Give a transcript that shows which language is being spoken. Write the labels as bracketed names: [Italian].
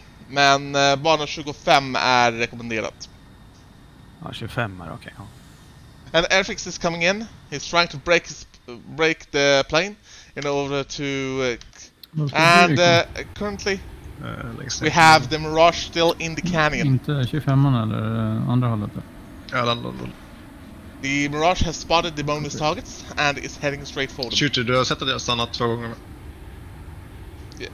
[Swedish] Men bana 25 är rekommenderat. Ja, 25 är okej. Okay. [English] And Airfix is coming in. He's trying to break the plane in order to... currently we have the Mirage still in the canyon. [Swedish] Inte 25 eller andra hållet? [English] The Mirage has spotted the bonus targets and is heading straight for them. [Swedish] Shooter, du har sett att jag har stannat två gånger med.